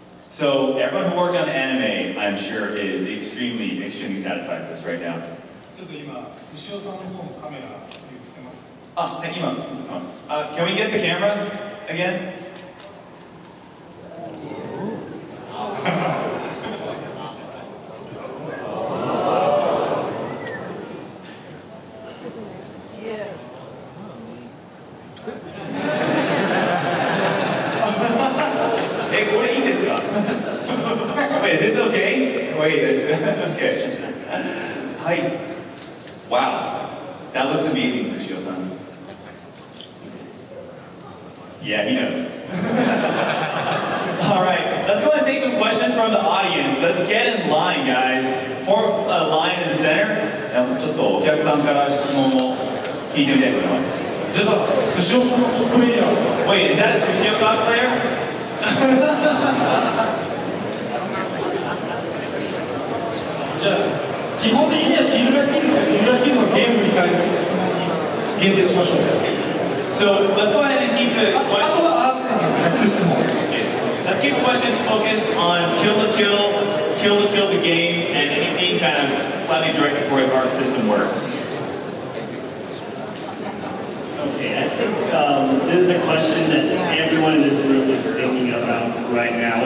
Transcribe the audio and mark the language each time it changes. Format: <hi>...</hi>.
<en>So, everyone who worked on the anime, I'm sure, is extremely, extremely satisfied with this right now.</en> <ja>ちょっと今、寿司屋さんの方のカメラ映してます。あ、今、映ってます。</ja> <en>Can we get the camera again? Yeah.</en> <ja>え、これいいですか?</ja> <en>Wait, is this okay? Wait, okay.</en> <ja>はい。</ja> <en>Wow, that looks amazing, Sushio-san. Yeah, he knows. All right, let's go ahead and take some questions from the audience. Let's get in line, guys. Form a line in the center.</en> <ja>ちょっとお客さんから質問を聞いてみたいと思います。出た、寿司屋さんのコスプレイヤー。</ja> <en>Wait, is that a Sushio cosplayer?</en> <ja>じゃあ。基本的にはキルラキルかキルラキルのゲームに対する限定しましょう。</ja> <en>So let's go ahead and keep the let's keep questions focused on Kill the Kill the game and anything kind of slightly directed towards how the system works. Okay, I think this is a question that everyone in this room is thinking about right now.</en>